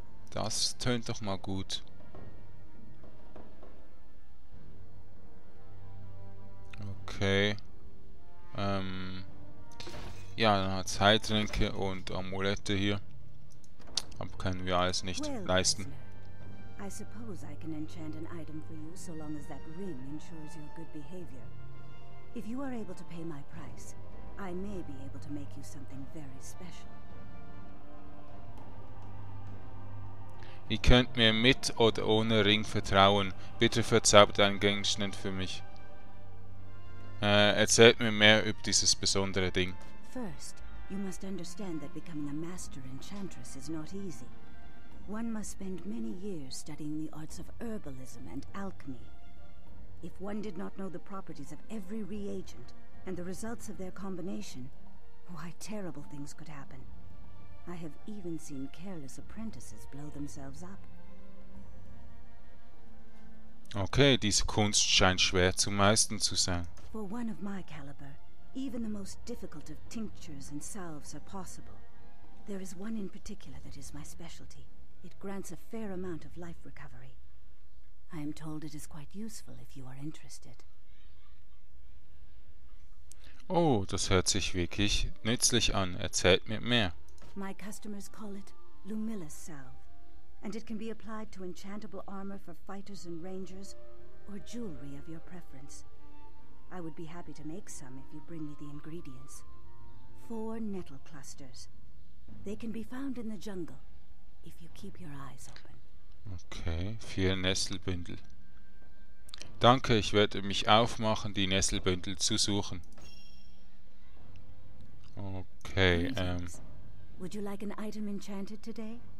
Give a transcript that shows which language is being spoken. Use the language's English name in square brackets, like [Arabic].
[German] Das tönt doch mal gut. Okay. Ja, dann hat es Heiltränke und Amulette hier. Aber können wir alles nicht leisten. [English] I suppose I can enchant an item for you, so long as that ring ensures your good behavior. If you are able to pay my price, I may be able to make you something very special. [German] Ihr könnt mir mit oder ohne Ring vertrauen. Bitte verzaubert einen Gegenstand für mich. Erzählt mir mehr über dieses besondere Ding. [English] First, you must understand that becoming a master enchantress is not easy. One must spend many years studying the arts of herbalism and alchemy. If one did not know the properties of every reagent and the results of their combination, why, terrible things could happen. I have even seen careless apprentices blow themselves up. [German] Okay, diese Kunst scheint schwer zu meistern zu sein. [English] For one of my caliber, even the most difficult of tinctures and salves are possible. There is one in particular that is my specialty. It grants a fair amount of life recovery. I am told it is quite useful if you are interested. [German] Oh, das hört sich wirklich nützlich an. Erzählt mir mehr. [English] My customers call it Lumilla's salve, and it can be applied to enchantable armor for fighters and rangers, or jewelry of your preference. I would be happy to make some if you bring me the ingredients. 4 nettle clusters. They can be found in the jungle, if you keep your eyes open. [German] Okay, 4 Nesselbündel. Danke, ich werde mich aufmachen, die Nesselbündel zu suchen. [English] Okay, Would you like an item enchanted today?